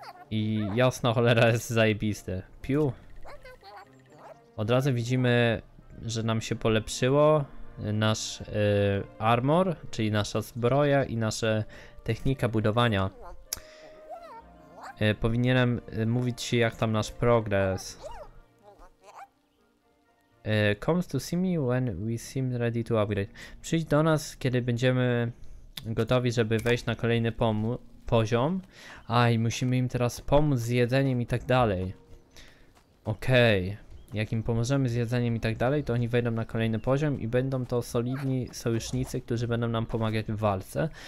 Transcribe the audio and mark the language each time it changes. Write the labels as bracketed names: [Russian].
[Polish] I jasno cholera jest zajebisty. Piu. Od razu widzimy, że nam się polepszyło nasz armor, czyli nasza zbroja i nasza technika budowania. Powinienem mówić ci, jak tam nasz progres. [English] Comes to see me when we seem ready to upgrade. [Polish] Przyjdź do nas, kiedy będziemy gotowi, żeby wejść na kolejny poziom. Aj, musimy im teraz pomóc z jedzeniem i tak dalej. Okej. Jak im pomożemy z jedzeniem i tak dalej, to oni wejdą na kolejny poziom i będą to solidni sojusznicy, którzy będą nam pomagać w walce.